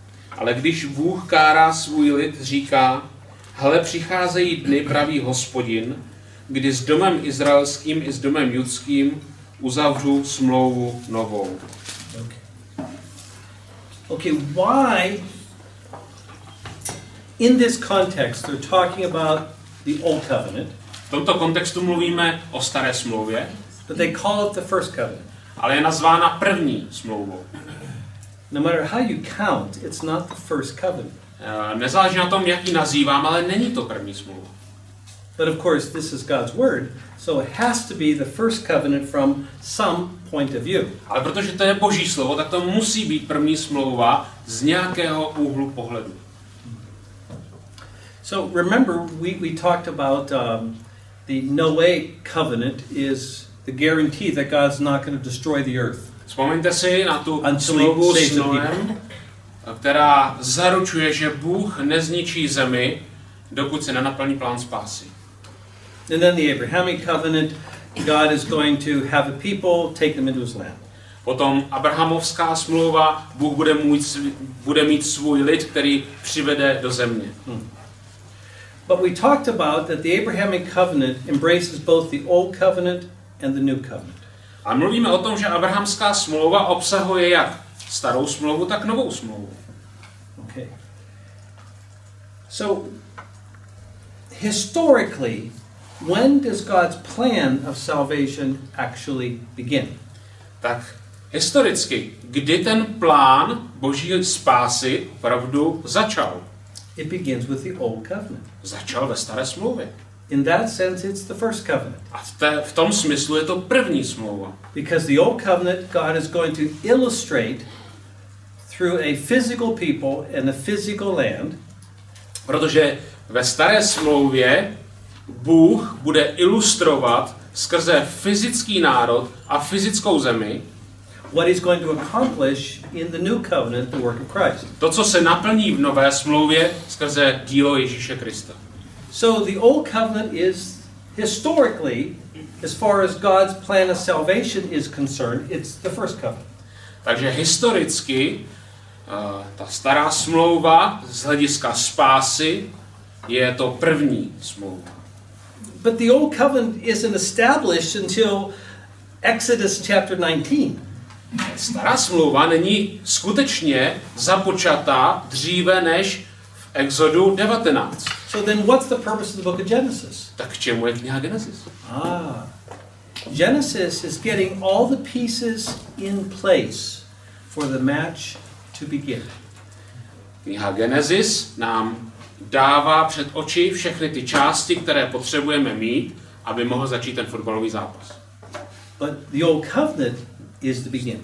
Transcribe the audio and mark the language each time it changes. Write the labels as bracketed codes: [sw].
[cs] Ale když Bůh kárá svůj lid, říká: hle, přicházejí dny, praví Hospodin, kdy s domem izraelským i s domem judským uzavřu smlouvu novou. [en] Okay, why in this context they're talking about the old covenant? [cs] V tomto kontextu mluvíme o staré smlouvě. [en] But they call it the first covenant. [cs] Ale je nazvána první smlouvou. [en] No matter how you count, it's not the first covenant. [cs] Nezáleží na tom, jak ji nazývám, ale není to první smlouva. [en] But of course, this is God's word, so it has to be the first covenant from some point of view. [cs] Ale protože to je Boží slovo, tak to musí být první smlouva z nějakého úhlu pohledu. [en] So remember, we talked about the Noahic covenant is the guarantee that God's not going to destroy the earth. [cs] Vzpomeňte si na tu smlouvu s Noem, která zaručuje, že Bůh nezničí zemi, dokud se nenaplní plán spásy. [en] And then the Abrahamic covenant, God is going to have a people, take them into his land. [cs] Potom abrahamovská smlouva, Bůh bude mít svůj lid, který přivede do země. Hmm. [en] But we talked about that the Abrahamic covenant embraces both the old covenant and the new covenant. [cs] A mluvíme o tom, že abrahamská smlouva obsahuje jak starou smlouvu, tak novou smlouvu. [en] Okay. So historically, when does God's plan of salvation actually begin? [cs] Tak historicky, kdy ten plán Boží spásy opravdu začal? [en] It begins with the old covenant. [cs] Začal ve staré smlouvě. [en] In that sense, it's the first covenant. [cs] A v tom smyslu je to první smlouva. [en] Because the old covenant, God is going to illustrate through a physical people and a physical land. [cs] Protože ve staré smlouvě Bůh bude ilustrovat skrze fyzický národ a fyzickou zemi [en] what he's going to accomplish in the new covenant, the work of Christ. [cs] To, co se naplní v nové smlouvě skrze dílo Ježíše Krista. [en] So the old covenant is historically, as far as God's plan of salvation is concerned, it's the first covenant. [cs] Takže historicky ta stará smlouva z hlediska spásy je to první smlouva. [en] But the old covenant isn't established until Exodus chapter 19. [cs] Stará smlouva není skutečně započata dříve než v Exodu 19. [en] So then what's the purpose of the book of Genesis? [cs] Tak k čemu je kniha Genesis? [en] Genesis is getting all the pieces in place for the match to begin. [cs] Kniha Genesis nám dává před oči všechny ty části, které potřebujeme mít, aby mohl začít ten fotbalový zápas. [en] But the old covenant is the beginning.